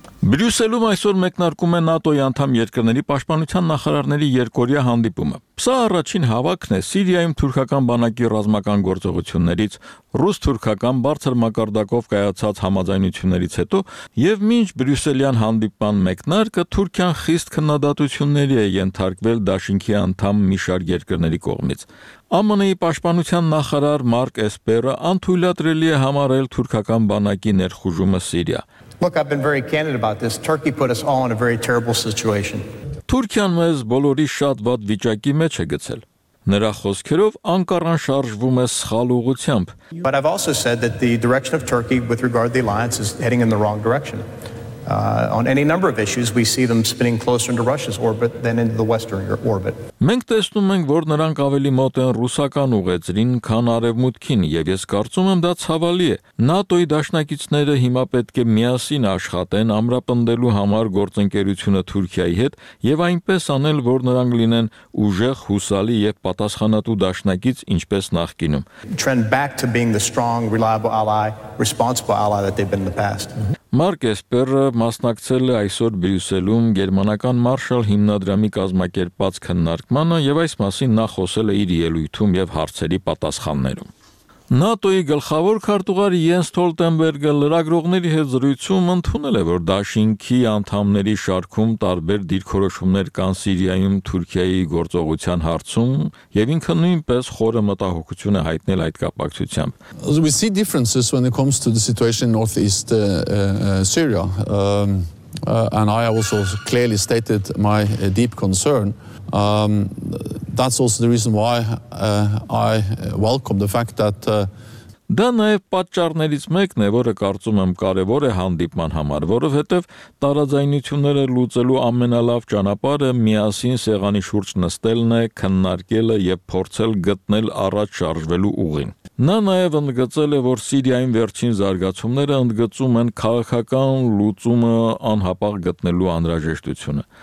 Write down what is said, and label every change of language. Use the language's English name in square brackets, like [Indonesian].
[Armenian] Բրյուսելում այսօր մեկնարկում է ՆԱՏՕ-ի անդամ երկրների պաշտպանության նախարարների երկօրյա հանդիպումը։ Սա առաջին հավաքն է Սիրիայում Թուրքական բանակի ռազմական գործողություններից, ռուս-թուրքական բարձր մակարդակով կայացած համաձայնություններից հետո, եւ մինչ բրյուսելյան հանդիպման մեկնարկը Թուրքիան խիստ քննադատությունների է ենթարկվել դաշինքի անդամ մի շարք երկրների կողմից։ ԱՄՆ-ի պաշտպանության նախարար Մարկ Էսպերը անթույլատրելի է համարել Թուրքական բանակի ներխուժումը Սիրիա։ [English] Look, I've been very candid about this. Turkey put us all in a very terrible situation. [Armenian] Թուրքիան մեզ բոլորի շատ վատ վիճակի մեջ է գցել։ Նրա խոսքերով Անկարան շարժվում է սխալ ուղությամբ. [English] But I've also said that the direction of Turkey with regard to the alliance is heading in the wrong direction. On any number of issues we see them spinning closer into Russia's orbit than into the Western orbit. [Armenian] Մենք տեսնում ենք, որ նրանք ավելի մոտ են ռուսական ուղեծրին, քան արևմուտքին, եւ ես կարծում եմ, դա ցավալի է։ ՆԱՏՕ-ի դաշնակիցները հիմա պետք է միասին աշխատեն ամրապնդելու համար գործընկերությունը Թուրքիայի հետ եւ այնպես անել, որ նրանք լինեն ուժեղ, հուսալի եւ պատասխանատու դաշնակից, ինչպես նախկինում։ [English] Trend back to being the strong, reliable ally, responsible ally that they've been in the past. [Armenian] Մարկ Էսպերը մասնակցել է այսօր Բրյուսելում գերմանական Մարշալ հիմնադրամի կազմակերպած քննարկմանը եւ այս մասին նա խոսել է իր ելույթում եւ հարցերի պատասխաններում։ ՆԱՏՕ-ի գլխավոր քարտուղար Յենս Ստոլտենբերգը լրագրողների հետ զրույցում ընդունել է, որ դաշինքի անդամների շարքում տարբեր դիրքորոշումներ կան Սիրիայում Թուրքիայի գործողության հարցում, եւ ինքը նույնպես խորը մտահոգություն է հայտնել այդ կապակցությամբ։ [English] We see differences when it comes to the situation in northeast Syria. And I also clearly stated my deep concern. That's also the reason why I welcome the fact that [Armenian] Դա նաև պատճառներից մեկն է, որը կարծում եմ կարևոր է հանդիպման համար, որովհետև տարաձայնությունները լուծելու ամենալավ ճանապարհը միասին սեղանի շուրջ նստելն է, քննարկելը եւ փորձել գտնել առաջ շարժվելու ուղին։ Նա նաև ընդգծել է, որ Սիրիայում վերջին զարգացումները ընդգծում են քաղաքական լուծումը անհապաղ գտնելու անհրաժեշտությունը։